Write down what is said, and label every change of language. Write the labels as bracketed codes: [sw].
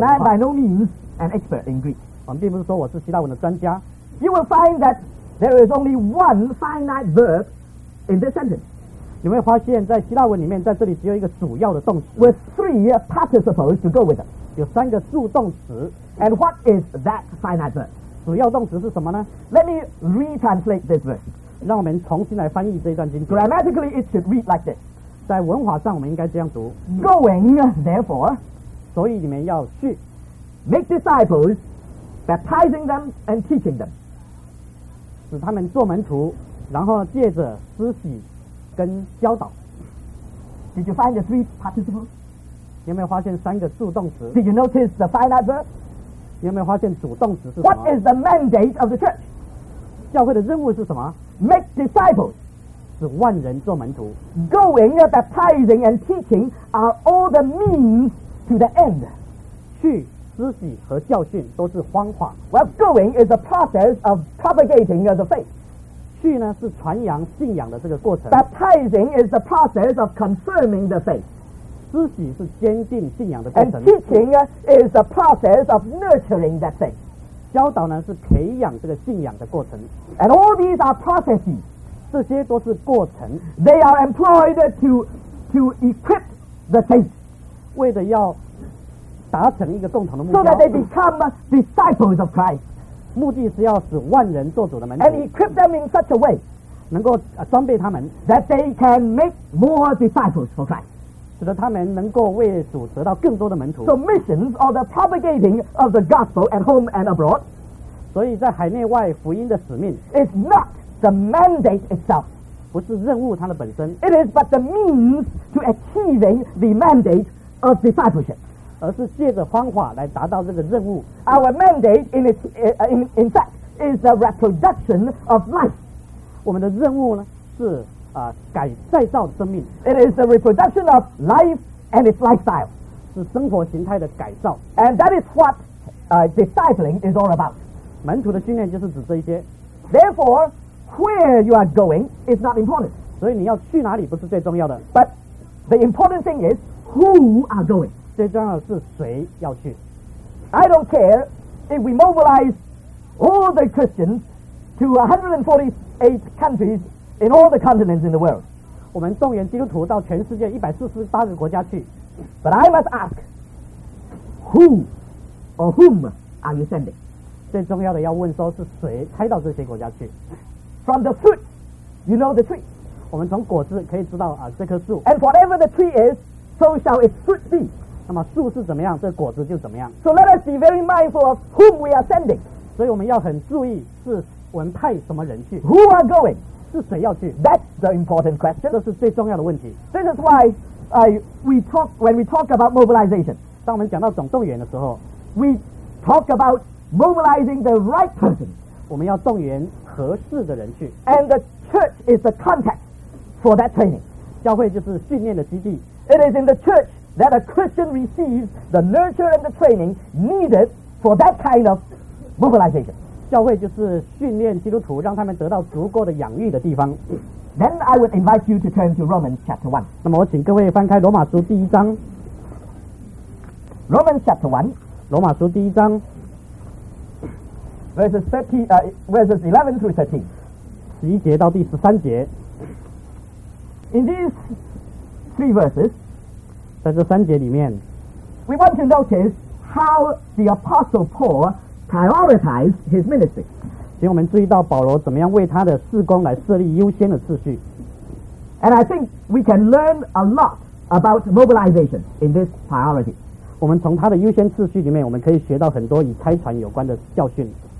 [zh] 的话 [en] and I'm by no means an expert in Greek. [zh] 我们并不是说我是希腊文的专家。 [en] You will find that. There is only one finite verb in this sentence. [zh] 你会发现在希腊文里面在这里只有一个主要的动词 [en] with three participles to go with it. [zh] 有三个助动词 [en] And what is that finite verb? [zh] 主要动词是什么呢 [en] Let me retranslate this verse. [zh] 让我们重新来翻译这一段经 [en] 句 Grammatically, it should read like this. [zh] 在文法上我们应该这样读 [en] Going, therefore, [zh] 所以你们要去 [en] make disciples, baptizing them and teaching them, [zh] 使他们做门徒，然后借着施洗跟教导。 [en] Did you find the three participles? [zh] 你有没有发现三个助动词？ [en] Did you notice the final verb? [zh] 你有没有发现主动词是什 [en] 么？What is the mandate of the church? [zh] 教会的任务是什么？ [en] Make disciples. [zh] 使万人做门徒。 [en] Going, baptizing, and teaching are all the means to the end. [zh] 去、施洗和教训都是方法。 [en] Well, going is a process of propagating the faith. [zh] 去呢是传扬信仰的这个过程。 [en] Baptizing is the process of confirming the faith. [zh] 施洗是坚定信仰的过程。 [en] And teaching is the process of nurturing that faith. [zh] 教导呢是培养这个信仰的过程。 [en] And all these are processes. [zh] 这些都是过程。 [en] They are employed to equip the saints, [zh] 为了要达成一个共同的目 [en] 标。So that they become disciples of Christ, [zh] 目的是要使万人做主的门徒。 [en] And equip them in such a way, [zh] 能够装备他们 [en] that they can make more disciples for Christ, [zh] 使得他们能够为主得到更多的门徒。 [en] So missions are the propagating of the gospel at home and abroad. [zh] 所以在海内外福音的使命 [en] is not. The mandate itself, [zh] 不是任务它的本身。 [en] It is but the means to achieving the mandate of discipleship, [zh] 而是借着方法来达到这个任务。 [en] Our mandate in its in fact is the reproduction of life. [zh] 我们的任务呢是再造生命。 [en] It is the reproduction of life and its lifestyle, [zh] 是生活形态的改造。 [en] And that is what discipling is all about. [zh] 门徒的训练就是指这一些。 [en] Therefore. Where you are going is not important. [zh] 所以你要去哪里不是最重要的。 [en] But the important thing is who are going. [zh] 最重要的是谁要去。 [en] I don't care if we mobilize all the Christians to 148 countries in all the continents in the world. [zh] 我们动员基督徒到全世界148个国家去。 [en] But I must ask who or whom are you sending? [zh] 最重要的要问说是谁派到这些国家去。 [en] From the fruit, you know the tree. [zh] 我们从果子可以知道这棵树。 [en] And whatever the tree is, so shall its fruit be. [zh] 那么树是怎么样，这果子就怎么样。 [en] So let us be very mindful of whom we are sending. [zh] 所以我们要很注意是我们派什么人去。 [en] Who are going? [zh] 是谁要去。 [en] That's the important question. [zh] 这是最重要的问题。 [en] This is why when we talk about mobilization, [zh] 当我们讲到总动员的时候， [en] we talk about mobilizing the right person. [zh] 我们要动员合适的人去。 [en] And the church is the context for that training. [zh] 教会就是训练的基地。 [en] It is in the church that a Christian receives the nurture and the training needed for that kind of mobilization. [zh] 教会就是训练基督徒让他们得到足够的养育的地方。 [en] Then I would invite you to turn to Romans chapter 1. [zh] 那么我请各位翻开罗马书第一章。 [en] Romans chapter 1. [zh] 罗马书第一章 [en] Verses 11 through 13. [zh] 十一节到第十三节。 [en] In these three verses, [zh] 在这三节里面， [en] we want to notice how the Apostle Paul prioritized his ministry. [zh] 请我们注意到保罗怎么样为他的事工来设立优先的次序。 [en] And I think we can learn a lot about mobilization in this priority. [zh] 我们从他的优先次序里面，我们可以学到很多与差传有关的教训。